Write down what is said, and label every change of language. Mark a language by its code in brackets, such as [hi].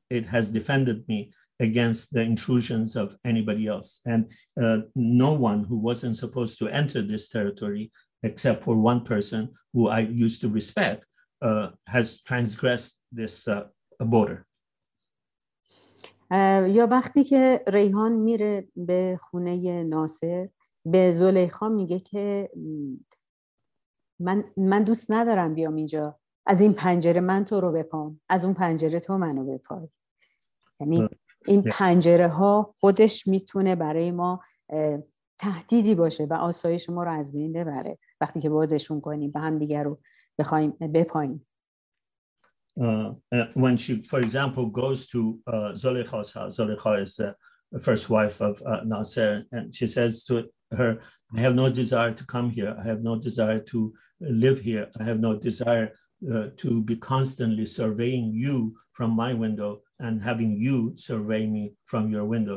[en] It has defended me against the intrusions of anybody else. And no one who wasn't supposed to enter this territory, except for one person who I used to respect, has transgressed this border. [fa] یا وقتی که ریحان میره به خونه ناصر، به زلیخا میگه که من دوست ندارم بیام اینجا. از این پنجره من تو رو بپام، از اون پنجره تو منو بپای. یعنی این پنجره ها خودش میتونه برای ما تهدیدی باشه و آسایش ما رو از بین ببره وقتی که بازشون کنیم به هم دیگر رو بخوایم بپاییم. [en] When she for example goes to Zulekha's house, Zulekha is the first wife of Nasser, and she says to her, I have no desire to come here, I have no desire to live here, I have no desire to be constantly surveying you from my window and having you survey me from your window.